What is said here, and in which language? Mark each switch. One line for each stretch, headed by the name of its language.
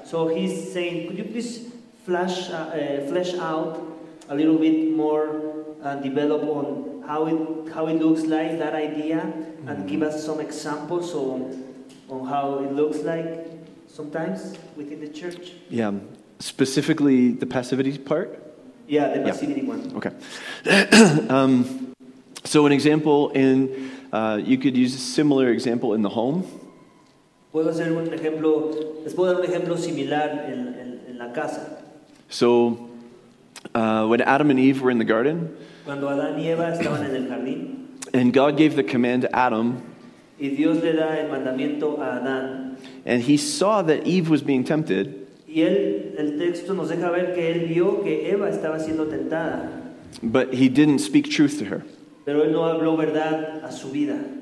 English: So he's saying, could you please flesh out a little bit more and develop on how it looks like, that idea, and give us some examples on how it looks like sometimes within the church? Yeah, specifically the passivity part? Yeah, the passivity one. Okay. So an example in... you could use a similar example in the home.
Spanish: ¿Puedo hacer un ejemplo? ¿Les puedo dar un ejemplo similar en la casa?
English: So, when Adam and Eve were in the garden,
Spanish: cuando Adán y Eva estaban en el jardín,
English: and God gave the command to Adam,
Spanish: y Dios le da el mandamiento a Adán,
English: and he saw that Eve was being tempted,
Spanish: y el texto nos deja ver que él vio que Eva estaba siendo tentada,
English: but he didn't speak truth to her.
Spanish: Pero él no habló verdad a su vida.